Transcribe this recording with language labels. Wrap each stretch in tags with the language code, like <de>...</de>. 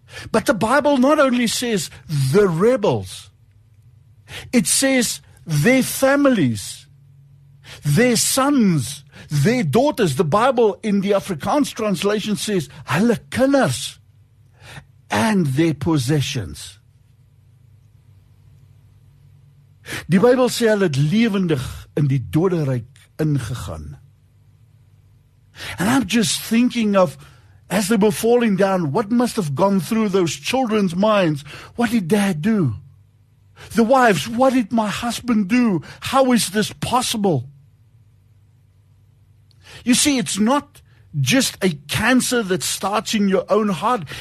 <en>But the Bible not only says the rebels, it says their families, their sons, their daughters. The Bible in the Afrikaans translation says</en> <af>hulle kinders,</af> <en>and their possessions.</en> <af>Die Bybel sê hulle het lewendig in die doderyk ingegaan.</af> <en>And I'm just thinking of, as they were falling down, what must have gone through those children's minds? What did dad do? The wives, what did my husband do? How is this possible? You see, it's not just a cancer that starts in your own heart.</en>